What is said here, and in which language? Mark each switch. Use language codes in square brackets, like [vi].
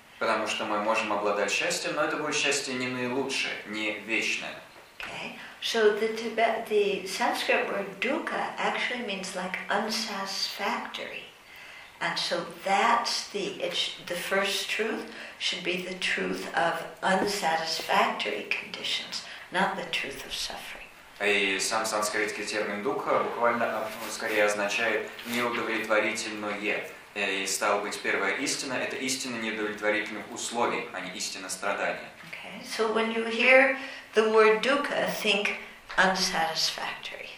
[ru] Потому что мы можем обладать счастьем, но это будет счастье не наилучшее, не вечное. [en] Okay, so the Sanskrit word dukkha actually means like unsatisfactory. And so that's the first truth should be the truth of unsatisfactory conditions, not the truth of suffering. [ru] И сам санскритский термин «дукха» буквально, скорее, означает «неудовлетворительное». И, стало быть, первая истина – это истина неудовлетворительных условий, а не истина страдания. [en] Okay. So when you hear the word «dukkha», think unsatisfactory.